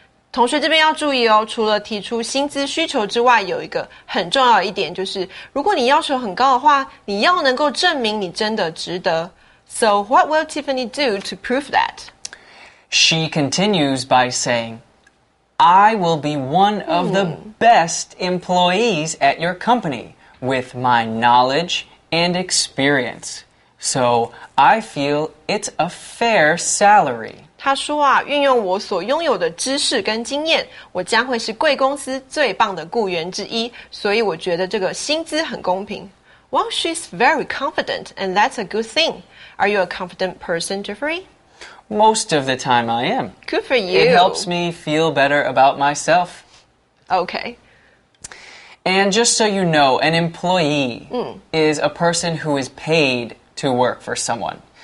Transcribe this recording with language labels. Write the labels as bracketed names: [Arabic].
[Chinese] 同学这边要注意哦，除了提出薪资需求之外，有一个很重要的一点就是，如果你要求很高的话，你要能够证明你真的值得。 [English] So what will Tiffany do to prove that? She continues by saying,I will be one of the best employees at your company with my knowledge and experience. So I feel it's a fair salary. [Chinese] 他说啊，运用我所拥有的知识跟经验，我将会是贵公司最棒的雇员之一，所以我觉得这个薪资很公平。 [English] Well, she's very confident, and that's a good thing. Are you a confident person, Jeffrey? Most of the time I am. Good for you. It helps me feel better about myself. Okay. And just so you know, an employee is a person who is paid to work for someone.